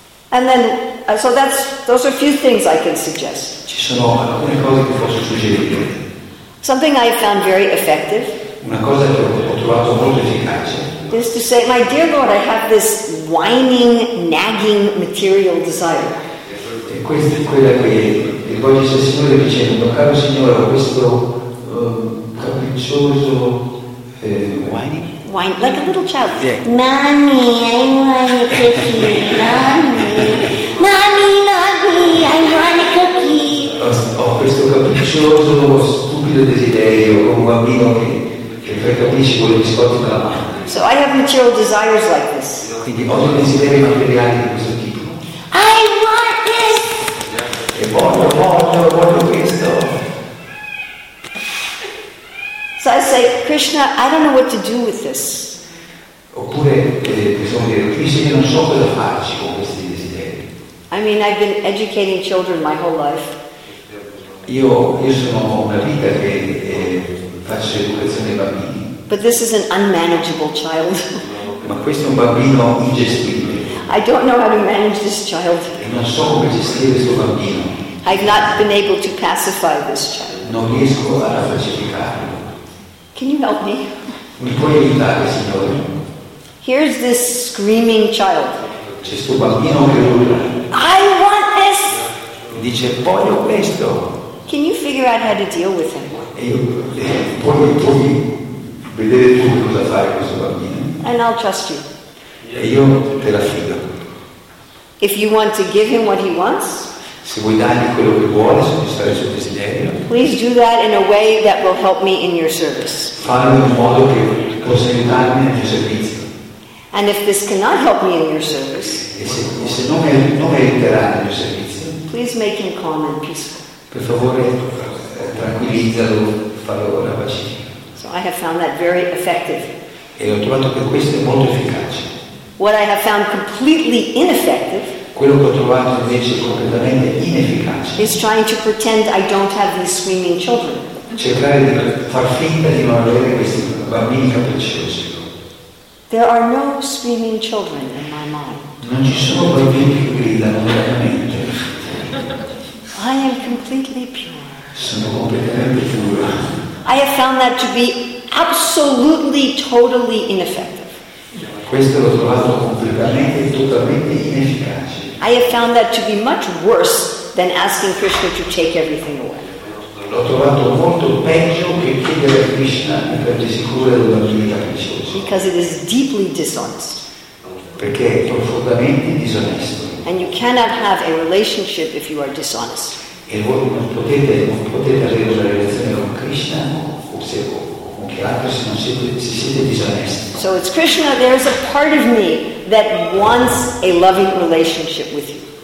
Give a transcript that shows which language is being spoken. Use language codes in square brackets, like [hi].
[en] And then, so those are a few things I can suggest. [it] Ci sono alcune cose che posso suggerire. [en] Something I found very effective. [it] Una cosa che ho trovato molto efficace. [en] Is to say, my dear Lord, I have this whining, nagging material desire. [it] E questa è quella che rivolgesse al Signore dicendo, caro Signore, ho questo capriccioso [en] whining. Whine, like a little child. Yeah. Mommy, I want a cookie. Mommy, I want a cookie. [it] Ho questo capriccioso, stupido desiderio, come un bambino che percepisce quello che sto dicendo. [en] So I have material desires like this. [it] Quindi ho desideri materiali di questo tipo. [en] I want this. [it] E voglio questo. [en] So I say, Krishna, I don't know what to do with this. [it] Oppure possiamo dire, Krishna, non so cosa farci con questi desideri. [en] I mean, I've been educating children my whole life. [it] Io sono una vita che faccio educazione ai bambini. [en] But this is an unmanageable child. [it] Ma questo è un bambino ingestibile. [en] I don't know how to manage this child. [it] E non so come gestire questo bambino. [en] I've not been able to pacify this child. [it] Non riesco a pacificarlo. [en] Can you help me? [it] Mi puoi aiutare, signore? [en] Here's this screaming child. [it] C'è sto bambino che urla. [en] I want this! [it] Dice, voglio questo. [en] Can you figure out how to deal with him? [it] Puoi vedere tu cosa fare questo bambino. [en] And I'll trust you. [it] E io te la fido. [en] If you want to give him what he wants, [it] se vuoi dargli quello che vuole, soddisfare il suo desiderio, [en] please do that in a way that will help me in your service. [it] Fare in modo che possa aiutarmi nel tuo servizio. [en] And if this cannot help me in your service, [it] se non mi aiuterà nel mio servizio, [en] please make him calm and peaceful. [it] Per favore, tranquillizzalo, fallo una pacifica. [en] So I have found that very effective. [it] E ho trovato che questo è molto efficace. [en] What I have found completely ineffective, [it] quello che ho trovato invece completamente inefficace, [en] is trying to pretend I don't have these screaming children. [it] Cercare di far finta di non avere questi bambini capricciosi. [en] There are no screaming children in my mind. [it] Non ci sono bambini che gridano veramente. [en] I am completely pure. [it] Sono completamente pura. [en] I have found that to be absolutely, totally ineffective. [it] Questo l'ho trovato completamente, totalmente inefficace. [en] I have found that to be much worse than asking Krishna to take everything away. [it] L'ho trovato molto peggio che chiedere a Krishna di prendersi cura della vita preziosa. [en] Because it is deeply dishonest. [it] Perché è profondamente disonesto. [en] And you cannot have a relationship if you are dishonest. [it] E voi non potete avere una relazione con Krishna o con chi altro se non siete disonesti. [en] So it's Krishna, there's a part of me that wants a loving relationship with you.